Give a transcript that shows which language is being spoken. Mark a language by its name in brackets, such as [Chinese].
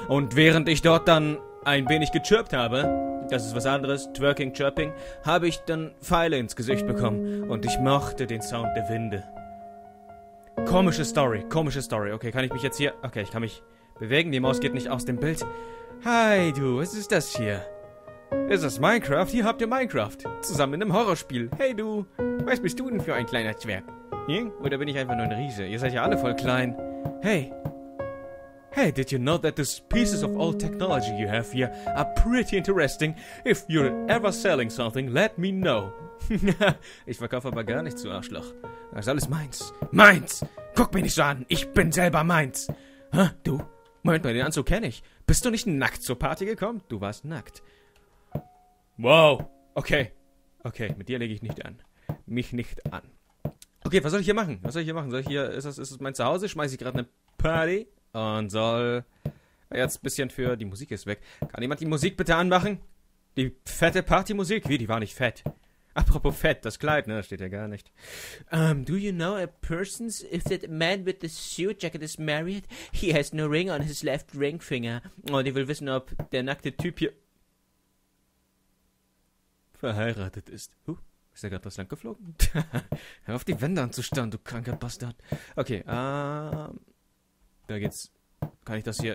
[German] Und während ich dort dann ein wenig gechirpt habe... Das ist was anderes, twerking, chirping, habe ich dann Pfeile ins Gesicht bekommen und ich mochte den Sound der Winde. Komische Story. Okay, kann ich mich jetzt hier... Okay, ich kann mich bewegen, die Maus geht nicht aus dem Bild. Hi, du, was ist das hier? Ist das Minecraft? Hier habt ihr Minecraft. Zusammen in einem Horrorspiel. Hey, du, was bist du denn für ein kleiner Zwerg? Oder bin ich einfach nur ein Riese? Ihr seid ja alle voll klein. Hey. [English] Hey, did you know that these pieces of old technology you have here are pretty interesting? If you're ever selling something, let me know. [German] Ich verkaufe aber gar nichts, du Arschloch. Das ist alles meins. Meins! Guck mich nicht so an, ich bin selber meins. Hä, du? Moment mal, den Anzug kenne ich. Bist du nicht nackt zur Party gekommen? Du warst nackt. Wow. Okay, mit dir lege ich nicht an. Mich nicht an. Okay, was soll ich hier machen? Ist das mein Zuhause? Schmeiße ich gerade eine Party? Und soll jetzt ein bisschen für... Die Musik ist weg. Kann jemand die Musik bitte anmachen? Die fette Partymusik? Wie, die war nicht fett? Apropos fett, das Kleid, ne? Das steht ja gar nicht. [English] Do you know a person, if that man with the suit jacket is married? He has no ring on his left ring finger. [German] Und ich will wissen, ob der nackte Typ hier... verheiratet ist. Ist er gerade das Land geflogen? Hör auf, die Wände anzustarren, du kranker Bastard. Okay, da geht's... Kann ich das hier...